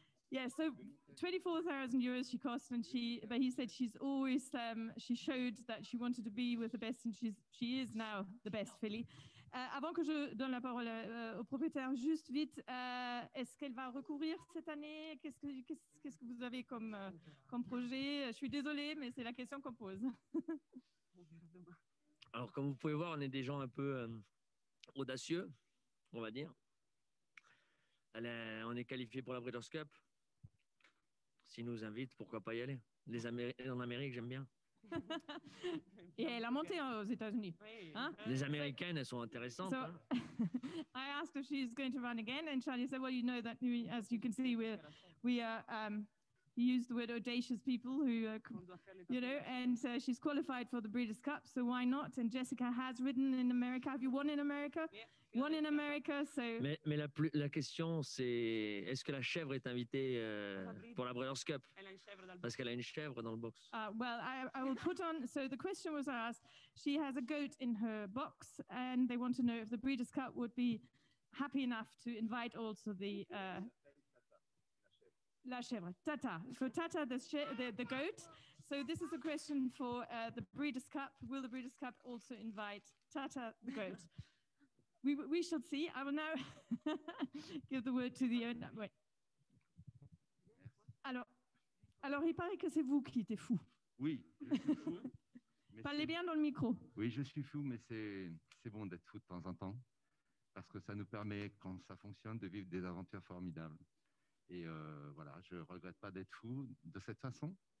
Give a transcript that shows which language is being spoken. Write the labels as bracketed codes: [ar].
[en] yeah, so 24,000 euros she cost, and but he said she's always she showed that she wanted to be with the best, and she is now the best filly. [fr] Avant que je donne la parole au propriétaire, juste vite, est-ce qu'elle va recourir cette année? Qu'est-ce que vous avez comme projet? Je suis désolée, mais c'est la question qu'on pose. Alors, comme vous pouvez voir, on est des gens un peu audacieux, on va dire. On est qualifié pour la Breeders' Cup. S'ils nous invitent, pourquoi pas y aller? En Amérique, j'aime bien. Et elle a monté aux États-Unis. Hein? Les Américaines, elles sont intéressantes. [en] So, hein? I asked if she's going to run again, and Charlie said, well, you know that, as you can see, we are You used the word audacious people who, you know, and she's qualified for the Breeders' Cup, so why not? And Jessica has ridden in America. Have you won in America? Yeah. Won in America, so... [fr] Mais la question, c'est, est-ce que la chèvre est invitée pour la Breeders' Cup? Parce qu'elle a une chèvre dans le box. [en] Well, I will put on... So the question was asked, she has a goat in her box, and they want to know if the Breeders' Cup would be happy enough to invite also the... [fr] La chèvre, Tata. [en] So Tata, the goat. So this is a question for the Breeders' Cup. Will the Breeders' Cup also invite Tata, the goat? We shall see. I will now give the word to the owner. Wait. [fr] Alors, il paraît que c'est vous qui êtes fou. Oui, je suis fou. Parlez bien dans le micro. Oui, je suis fou, mais c'est bon d'être fou de temps en temps, parce que ça nous permet, quand ça fonctionne, de vivre des aventures formidables. Et voilà, je ne regrette pas d'être fou de cette façon.